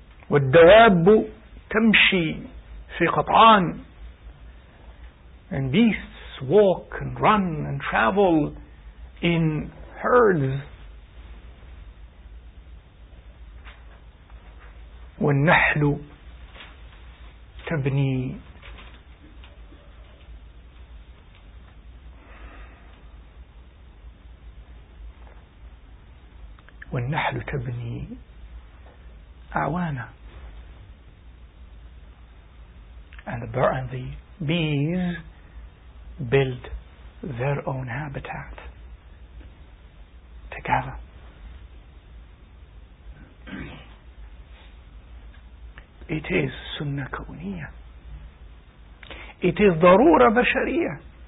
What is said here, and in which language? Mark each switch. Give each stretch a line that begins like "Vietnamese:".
Arabic: والدواب تمشي في قطعان.
English: And beasts walk and run and travel in herds.
Arabic: والنحل تبني والنحل تبني أعوانا.
English: And the bird and the bees build their own habitat together. It is sunnah kawniya. It is darura bashariya.